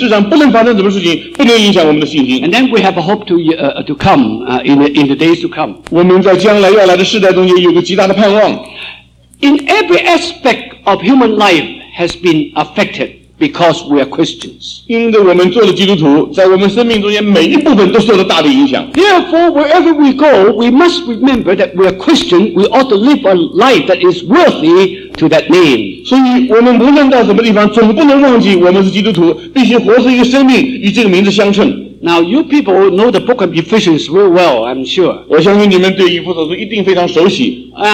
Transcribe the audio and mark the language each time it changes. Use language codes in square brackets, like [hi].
[zh] 我们对于神有大的信心，在世上不能发生什么事情，不能影响我们的信心。 [en] And then we have a hope to come in the days to come. [zh] 我们在将来要来的世代中间有个极大的盼望。 [en] In every aspect of human life has been affected because we are Christians. [zh] 因着我们做了基督徒，在我们生命中间每一部分都受了大的影响。 [en] Therefore, wherever we go, we must remember that we are Christian. We ought to live a life that is worthy to that name. [zh] 所以，我们无论到什么地方，总不能忘记我们是基督徒，必须活出一个生命与这个名字相称。 [en] Now, you people know the book of Ephesians very well, I'm sure. [zh] 我相信你们对以弗所书一定非常熟悉。